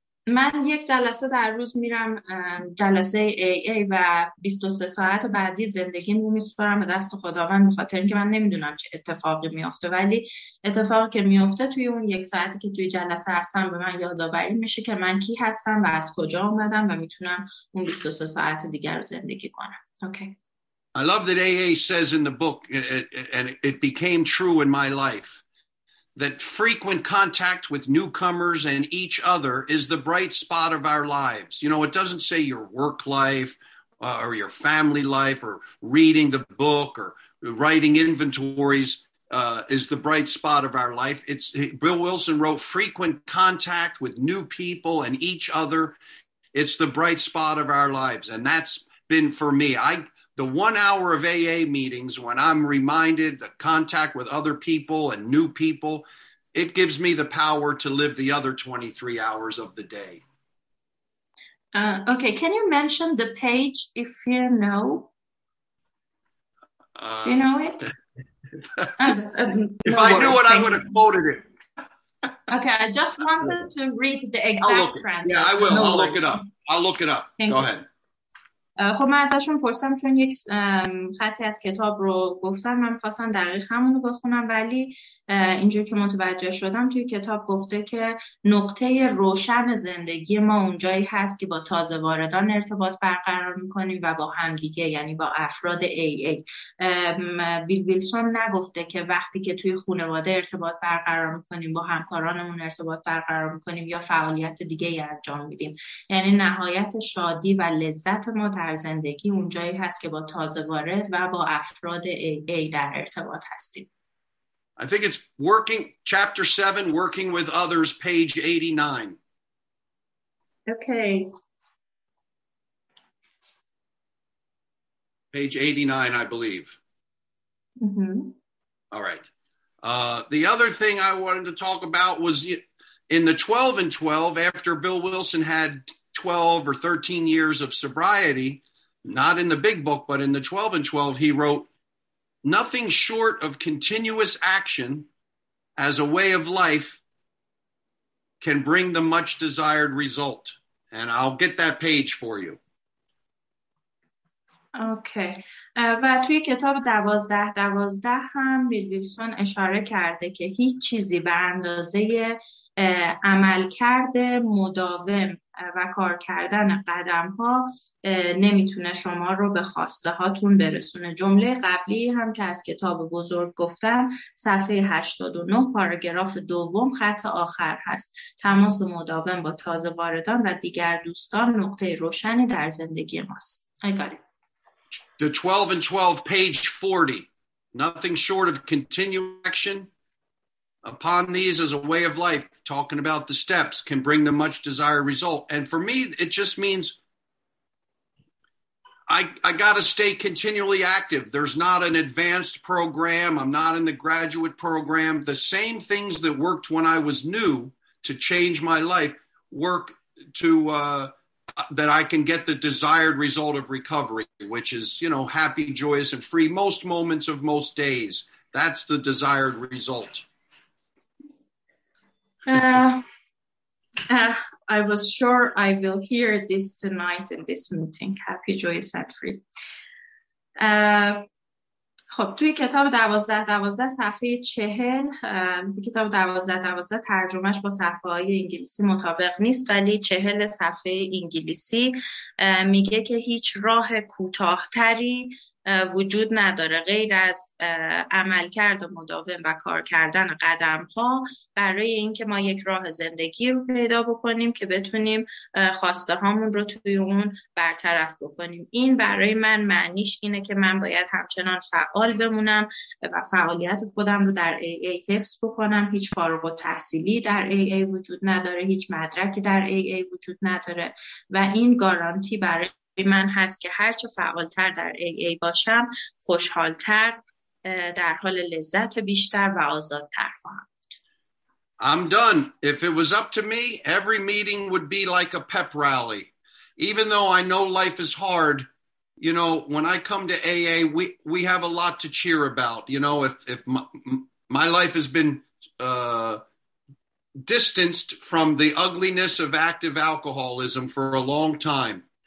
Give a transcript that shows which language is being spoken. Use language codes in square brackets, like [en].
[fa] من یک جلسه در روز میرم جلسه AA و 23 ساعت بعدی زندگیم رو میسپارم به دست خداوند، بخاطر اینکه من نمیدونم چه اتفاقی میافته. ولی اتفاقی که میافته توی اون یک ساعتی که توی جلسه هستم به من یادآوری میشه که من کی هستم و از کجا اومدم و میتونم اون 23 ساعت دیگر رو زندگی کنم. [en] Okay. I love that AA says in the book and it became true in my life that frequent contact with newcomers and each other is the bright spot of our lives. You know, it doesn't say your work life or your family life or reading the book or writing inventories is the bright spot of our life. Bill Wilson wrote, frequent contact with new people and each other, it's the bright spot of our lives. And that's been for me. The 1 hour of AA meetings, when I'm reminded the contact with other people and new people, it gives me the power to live the other 23 hours of the day. Okay, can you mention the page if you know? You know it? If I knew it, I would have quoted it. Okay, I just wanted to read the exact translation. Yeah, I will. I'll look it up. I'll look it up. Thank Go ahead. [fa] خب من ازشون پرسیدم چون یک خطی از کتاب رو گفتن من خواستم دقیق همون رو بخونم ولی اینجور که متوجه شدم توی کتاب گفته که نقطه روشن زندگی ما اونجایی هست که با تازه واردان ارتباط برقرار میکنیم و با همدیگه یعنی با افراد AA ویل ویلسون نگفته که وقتی که توی خانواده ارتباط برقرار میکنیم با همکارانمون ارتباط برقرار میکنیم یا فعالیت دیگه ای انجام میدیم یعنی نهایت شادی و لذت ما در زندگی اونجایی هست که با تازه وارد و با افراد AA در ارتباط هستیم. [en] I think it's working, chapter 7, working with others, page 89. Okay. Page 89, I believe. Mm-hmm. All right. The other thing I wanted to talk about was in the 12 and 12, after Bill Wilson had 12 or 13 years of sobriety, not in the big book, but in the 12 and 12, he wrote, nothing short of continuous action as a way of life can bring the much desired result. And I'll get that page for you. [fa] اوکی و توی کتاب دوازده دوازده هم بیل ویلسون اشاره کرده که هیچ چیزی به اندازه عمل کرده مداوم و کار کردن قدم ها نمیتونه شما رو به خواسته هاتون برسونه. جمله قبلی هم که از کتاب بزرگ گفتم صفحه 89 پاراگراف دوم خط آخر هست. تماس مداوم با تازه واردان و دیگر دوستان نقطه روشنی در زندگی ماست. اگاره. [en] The 12 and 12, page 40. Nothing short of continued action upon these as a way of life, talking about the steps, can bring the much desired result. And for me, it just means I got to stay continually active. There's not an advanced program. I'm not in the graduate program. The same things that worked when I was new to change my life work to... that I can get the desired result of recovery, which is, you know, happy, joyous, and free most moments of most days. That's the desired result. I was sure I will hear this tonight in this meeting. Happy, joyous, and free. [fa] خب توی کتاب دوازده دوازده صفحه 40 کتاب دوازده دوازده ترجمهش با صفحه های انگلیسی مطابق نیست ولی 40 صفحه انگلیسی میگه که هیچ راه کوتاه‌تری وجود نداره غیر از عمل کرد و مداوم و کار کردن قدم ها برای اینکه ما یک راه زندگی رو پیدا بکنیم که بتونیم خواسته هامون رو توی اون برطرف بکنیم. این برای من معنیش اینه که من باید همچنان فعال بمونم و فعالیت خودم رو در ای ای حفظ بکنم. هیچ فارغ التحصیلی در ای ای وجود نداره، هیچ مدرکی در ای ای وجود نداره و این گارانتی برای من هست که هرچه فعالتر در AA باشم خوشحالتر در حال لذت بیشتر و آزادتر خواهم بود. [en] I'm done. If it was up to me, every meeting would be like a pep rally. Even though I know life is hard, you know, when I come to AA, we have a lot to cheer about. You know, if my life has been distanced from the ugliness of active alcoholism for a long time.